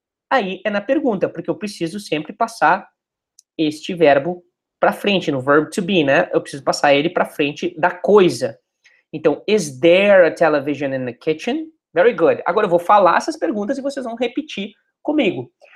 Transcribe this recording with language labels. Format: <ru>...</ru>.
<pt>Aí é na pergunta, porque eu preciso sempre passar este verbo para frente, no verbo to be, né? Eu preciso passar ele para frente da coisa.</pt> <en>Então, is there a television in the kitchen? Very good.</en> <pt>Agora eu vou falar essas perguntas e vocês vão repetir comigo.</pt>